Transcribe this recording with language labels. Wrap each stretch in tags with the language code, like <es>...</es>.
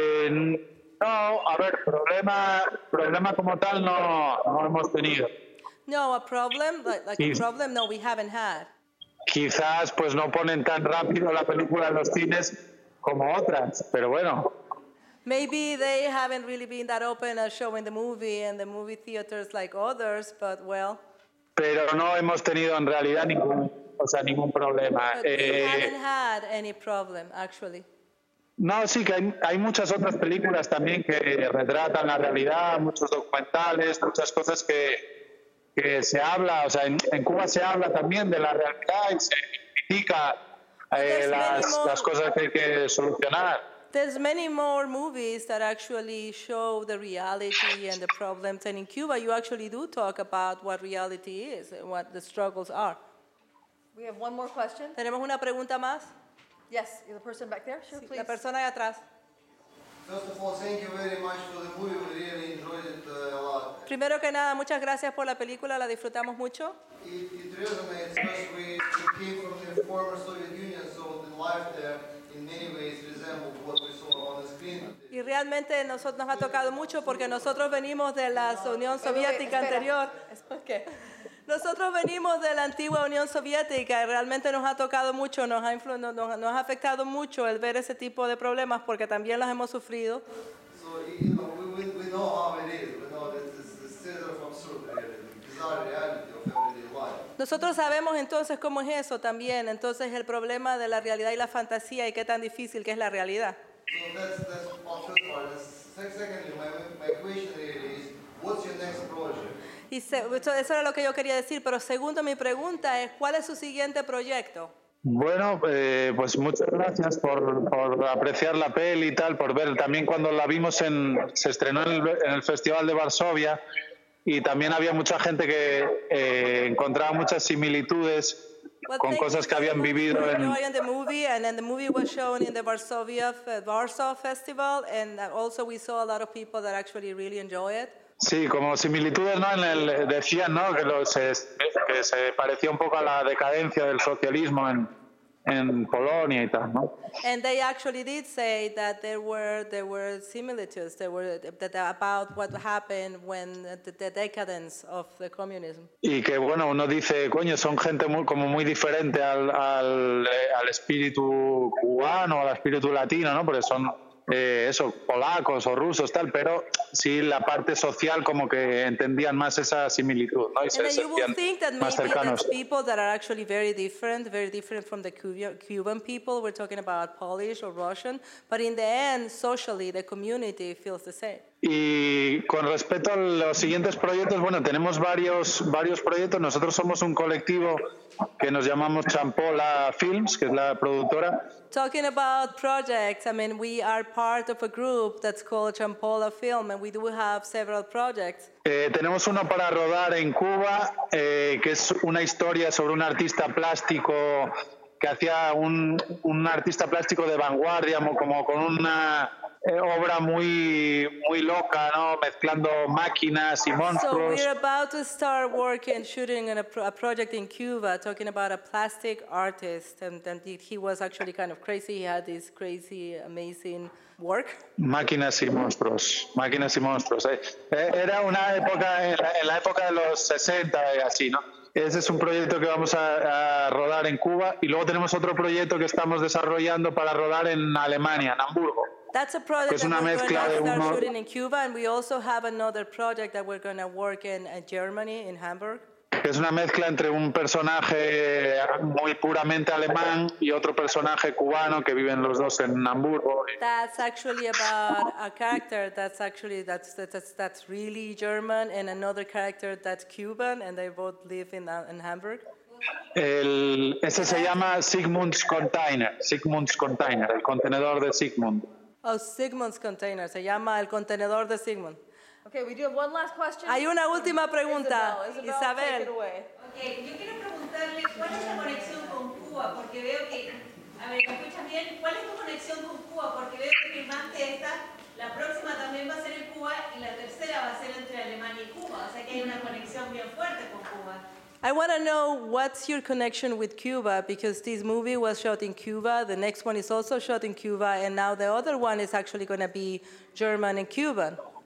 <es>No, a ver, problema como tal no hemos tenido.</es> <en>No, a problem, like a problem, no, we haven't had.</en> <es>Quizás, pues no ponen tan rápido la película en los cines como otras, pero bueno.</es> <en>Maybe they haven't really been that open at showing the movie and the movie theaters like others, but well.</en> <es>Pero no hemos tenido en realidad ningún... O sea, ningún problema.</es> <en>You haven't had any problem, actually.</en> <es>No, sí, que hay muchas otras películas también que retratan la realidad, muchos documentales, muchas cosas que se habla. O sea, en Cuba se habla también de la realidad y se critica las cosas que hay que solucionar.</es> <en>There's many more movies that actually show the reality and the problems. And in Cuba, you actually do talk about what reality is and what the struggles are. We have one more question.</en> <es>Tenemos una pregunta más.</es> <en>Yes, the person back there. Sure,</en> <es>sí,</es> <en>please.</en> <es>La persona allá atrás.</es> <en>First of all, thank you very much for the movie. We really enjoyed it a lot.</en> <es>Primero que nada, muchas gracias por la película. La disfrutamos mucho.</es> <en>It really amazed us. We came from the former Soviet Union, so the life there in many ways resembled what we saw on the screen.</en> <es>Y realmente nosotros nos ha tocado mucho porque nosotros venimos de la Unión Soviética anterior. ¿Qué? Nosotros venimos de la antigua Unión Soviética y realmente nos ha tocado mucho, nos ha afectado mucho el ver ese tipo de problemas porque también los hemos sufrido.</es> <en>So, you know, we know how it is. We know that it's the state of absurd reality, bizarre reality of everyday life.</en> <es>Nosotros sabemos entonces cómo es eso también, entonces el problema de la realidad y la fantasía y qué tan difícil que es la realidad.</es> <en>So, that's part of it. Secondly, my question really is, what's your next project?</en> <es>Y eso era lo que yo quería decir, pero segundo, mi pregunta es, ¿cuál es su siguiente proyecto? Bueno, pues muchas gracias por apreciar la peli y tal, por ver. También cuando la vimos, se estrenó en el Festival de Varsovia y también había mucha gente que encontraba muchas similitudes con cosas que habían vivido en</es> <en>the movie, and then the movie was shown in the Warsaw Festival, and also we saw a lot of people that actually really enjoy it.</en> <es>Sí, como similitudes, ¿no? En el decían, ¿no? Que se parecía un poco a la decadencia del socialismo en Polonia y tal, ¿no?</es> <en>And they actually did say that there were similitudes, there were that about what happened when the decadence of the communism.</en> <es>Y que bueno, uno dice, coño, son gente muy diferente al espíritu cubano, al espíritu latino, ¿no? Porque son eso, polacos o rusos, tal, pero sí la parte social como que entendían más esa similitud, ¿no? Y se sentían más cercanos.</es> <en>People that are actually very different from the Cuban people, we're talking about Polish or Russian, but in the end, socially, the community feels the same.</en> <es>Y con respecto a los siguientes proyectos, bueno, tenemos varios proyectos. Nosotros somos un colectivo que nos llamamos Champola Films, que es la productora.</es> <en>Talking about projects, I mean, we are part of a group that's called Champola Film, and we do have several projects.</en> <es>Tenemos uno para rodar en Cuba, que es una historia sobre un artista plástico que hacía un artista plástico de vanguardia, como con una obra muy muy loca, ¿no? Mezclando máquinas y monstruos.</es> <en>So we're about to start working, shooting in a project in Cuba, talking about a plastic artist, and he was actually kind of crazy. He had this crazy, amazing work.</en> <es>Máquinas y monstruos. Era una época, en la época de los 60 y así, ¿no? Ese es un proyecto que vamos a rodar en Cuba, y luego tenemos otro proyecto que estamos desarrollando para rodar en Alemania, en Hamburgo.</es> <en>That's a project that we're going to start shooting in Cuba, and we also have another project that we're going to work in Germany, in Hamburg.</en> <es>Es una mezcla entre un personaje muy puramente alemán y otro personaje cubano que viven los dos en Hamburgo.</es> <en>That's actually about a character that's really German, and another character that's Cuban, and they both live in Hamburg.</en> <es>Ese se llama Sigmund's Container, el contenedor de Sigmund. Oh, Sigmund's Container. Se llama el contenedor de Sigmund.</es> <en>Okay, we do have one last question.</en> <es>Hay una última pregunta, Isabel. Okay, yo quiero preguntarle cuál es la conexión con Cuba, porque veo que, a ver, ¿me escuchas bien? ¿Cuál es tu conexión con Cuba? Porque veo que firmaste esta, la próxima también va a ser en Cuba y la tercera va a ser entre Alemania y Cuba, o sea que hay una conexión bien fuerte con Cuba.</es> <en>I want to know what's your connection with Cuba, because this movie was shot in Cuba, the next one is also shot in Cuba, and now the other one is actually going to be German and Cuban.</en>